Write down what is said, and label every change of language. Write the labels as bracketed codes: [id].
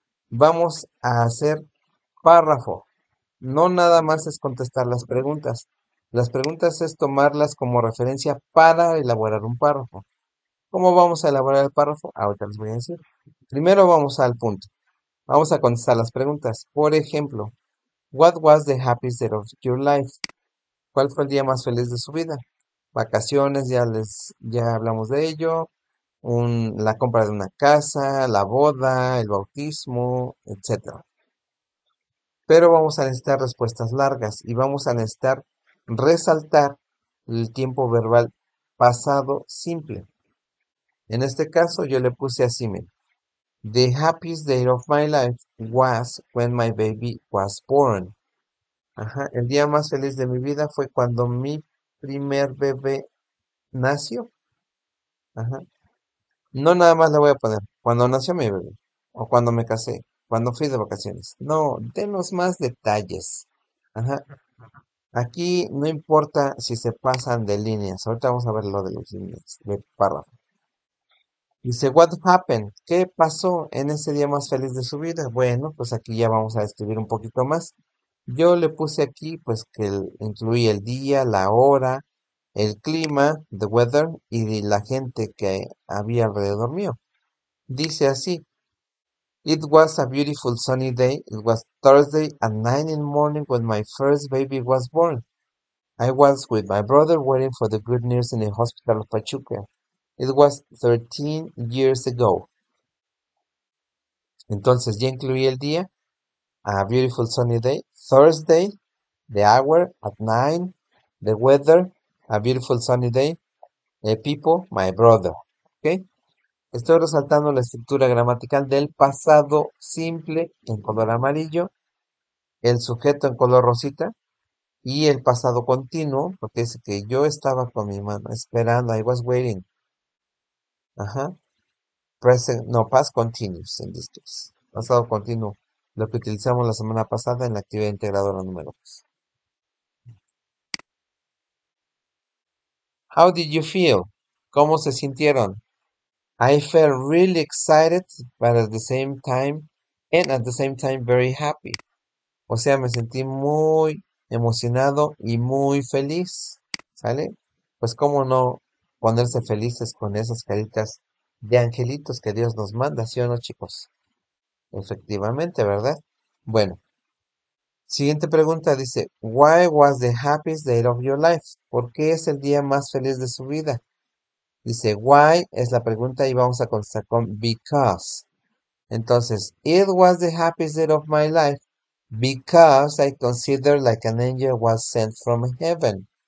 [es] Vamos a hacer párrafo. No nada más es contestar las preguntas. Las preguntas es tomarlas como referencia para elaborar un párrafo. ¿Cómo vamos a elaborar el párrafo? Ahorita les voy a decir. Primero vamos al punto. Vamos a contestar las preguntas. Por ejemplo, [en] what was the happiest day of your life? [es] ¿Cuál fue el día más feliz de su vida? Vacaciones, ya hablamos de ello. la compra de una casa, la boda, el bautismo, etc. Pero vamos a necesitar respuestas largas y vamos a necesitar resaltar el tiempo verbal pasado simple. En este caso, yo le puse así, mira. [en] The happiest day of my life was when my baby was born. [es] Ajá, el día más feliz de mi vida fue cuando mi primer bebé nació. Ajá. No nada más le voy a poner cuando nació mi bebé o cuando me casé, cuando fui de vacaciones. No, denos más detalles. Ajá. Aquí no importa si se pasan de líneas. Ahorita vamos a ver lo de las líneas, de párrafo. Dice, [en] what happened? [es] ¿Qué pasó en ese día más feliz de su vida? Bueno, pues aquí ya vamos a describir un poquito más. Yo le puse aquí, pues, que incluí el día, la hora, el clima, [en] the weather, [es] y la gente que había alrededor mío. Dice así, [en] it was a beautiful sunny day. It was Thursday at 9 in the morning when my first baby was born. I was with my brother waiting for the good news in the hospital of Pachuca. It was 13 years ago. [es] Entonces ya incluí el día. [en] A beautiful sunny day. Thursday. The hour at 9. The weather. A beautiful sunny day. The people. My brother. ¿Okay? [es] Estoy resaltando la estructura gramatical del pasado simple en color amarillo. El sujeto en color rosita. Y el pasado continuo. Porque es que yo estaba con mi mano esperando. [en] I was waiting. [es] Ajá. [en] Present, no, past continuous en this case. [es] Pasado continuo. Lo que utilizamos la semana pasada en la actividad integradora número 2. [en] How did you feel? [es] ¿Cómo se sintieron? [en] I felt really excited, but at the same time, and at the same time, very happy. [es] O sea, me sentí muy emocionado y muy feliz. ¿Sale? Pues, ¿cómo no ponerse felices con esas caritas de angelitos que Dios nos manda, ¿sí o no, chicos? Efectivamente, ¿verdad? Bueno, siguiente pregunta dice, [en] why was the happiest day of your life? [es] ¿Por qué es el día más feliz de su vida? Dice, why es la pregunta y vamos a contestar con because. Entonces, [en] it was the happiest day of my life because I considered like an angel was sent from heaven.